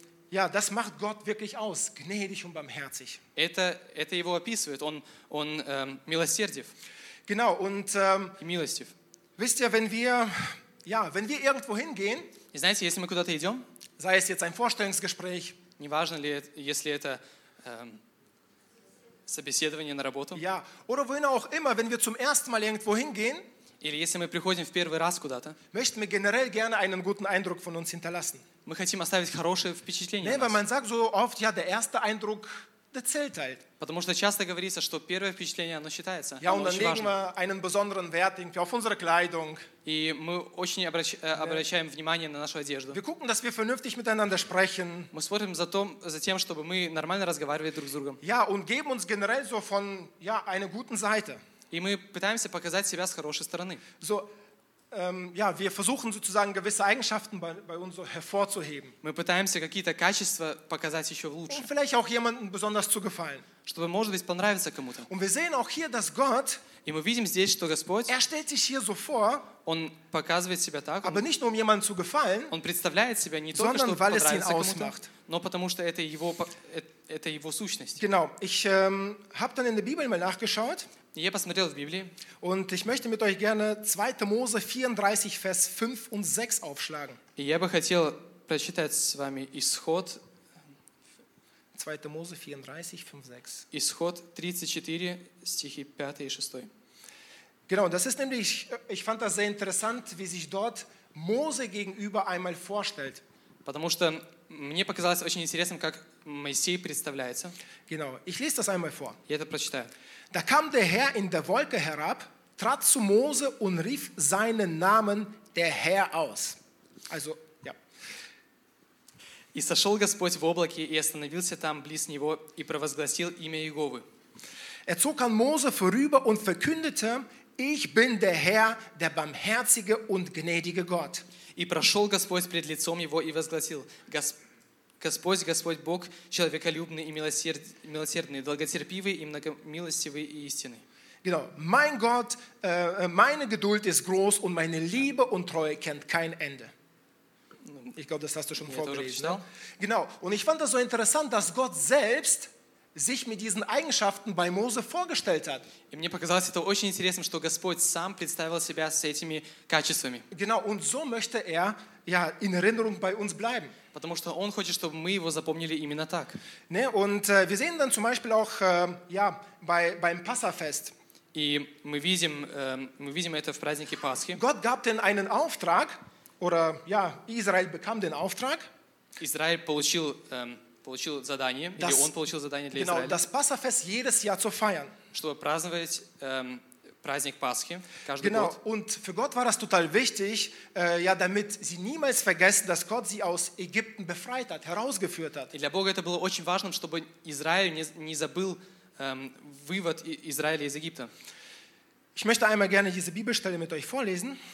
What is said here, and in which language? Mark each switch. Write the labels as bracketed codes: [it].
[de] Das macht Gott wirklich aus, gnädig und barmherzig. [ru] Это его описывает, он милосердив. [de] Genau, und [ru] милостив. [de] Wisst ihr, wenn wir irgendwo hingehen, [ru] и знаете, если мы куда-то идем, [de] sei es jetzt ein Vorstellungsgespräch, [ru] неважно ли, если это собеседование на работу, [de] oder wohin auch immer, wenn wir zum ersten Mal irgendwo hingehen, [ru] или если мы приходим в первый раз куда-то, [de] möchten wir generell gerne einen guten Eindruck von uns hinterlassen. [ru] Мы хотим оставить хорошее впечатление. [de] Nee, weil man sagt so oft, der erste Eindruck, der zählt halt. [ru] Потому что часто говорится, что первое впечатление, оно считается. [de] Ja, und dann legen wir einen besonderen Wert irgendwie auf unsere Kleidung. [ru] И мы очень обращаем внимание на нашу одежду. [de] Wir gucken, dass wir vernünftig miteinander sprechen. [ru] Мы смотрим за тем, чтобы мы нормально разговаривали друг с другом. [de] Ja, und geben uns generell so von einer guten Seite. [ru] И мы пытаемся показать себя с хорошей стороны. [de] So, wir versuchen sozusagen gewisse Eigenschaften bei uns so hervorzuheben. [ru] Мы пытаемся какие-то качества показать еще лучше. [de] Und vielleicht auch jemandem besonders zu gefallen. [ru] Чтобы, может быть, понравиться кому-то. [de] Und wir sehen auch hier, dass Gott, [ru] и мы видим здесь, что Господь, [de] er stellt sich hier so vor, [ru] он показывает себя так, [de] aber [ru] он, [de] nicht nur um jemandem zu gefallen, [ru] он представляет себя не [de] sondern [ru] только, чтобы [de] weil [ru] понравиться [de] es ihn ausmacht. [ru] Кому-то, но потому что это его сущность. [de] Genau. Ich habe dann in der Bibel mal nachgeschaut. [ru] Я посмотрел в Библии. [de] Und ich möchte mit euch gerne 2. Mose 34, Vers 5 und 6 aufschlagen. [ru] И я бы хотел прочитать с вами Исход. 2. Мозе 34, 5, 6. Исход 34, стихи 5 и 6. [de] Genau, das ist nämlich, ich fand das sehr interessant, wie sich dort Mose gegenüber einmal vorstellt. [ru] Потому что мне показалось очень интересным, как Моисей представляется. [de] Genau, ich lese das einmal vor. [ru] Я это прочитаю. [de] Da kam der Herr in der Wolke herab, trat zu Mose und rief seinen Namen, der Herr, aus. Also, ja. [ru] И сошел Господь в облаке и остановился там близ него и провозгласил имя Иеговы. [de] Er zog an Mose vorüber und verkündete, ich bin der Herr, der barmherzige und gnädige Gott. [ru] И прошел Господь пред лицом его и возгласил, Господь, Господь Бог, человеколюбный и милосердный, долготерпивый и многомилостивый и истинный. [de] Genau, mein Gott, meine Geduld ist groß und meine Liebe und Treue kennt kein Ende. Ich glaube, das hast du schon vorgelesen. Genau, und ich fand das so interessant, dass Gott selbst sich mit diesen Eigenschaften bei Mose vorgestellt hat. [ru] И мне показалось это очень интересным, что Господь сам представил себя с этими качествами. [de] Genau, und so möchte er ja in Erinnerung bei uns bleiben. [ru] Потому что он хочет, чтобы мы его запомнили именно так. [de] Ne, und wir sehen dann zum Beispiel auch ja beim Passafest. [ru] И мы видим это в празднике Пасхи. [de] Gott gab denn einen Auftrag oder ja, Israel bekam den Auftrag. [ru] Israel получил получил задание, [de] das, [ru] или он получил задание для Израиля. [de] Genau, das Passafest jedes Jahr zu feiern. [ru] Чтобы праздновать праздник Пасхи каждый [de] genau, [ru] год. [de] Und für Gott war das total wichtig, ja, damit sie niemals vergessen, dass Gott sie aus Ägypten befreit hat, herausgeführt hat. [ru] И для Бога это было очень важным, чтобы Израиль не забыл вывод Израиля из Египта. [de] Ich möchte einmal gerne diese Bibelstelle mit euch vorlesen.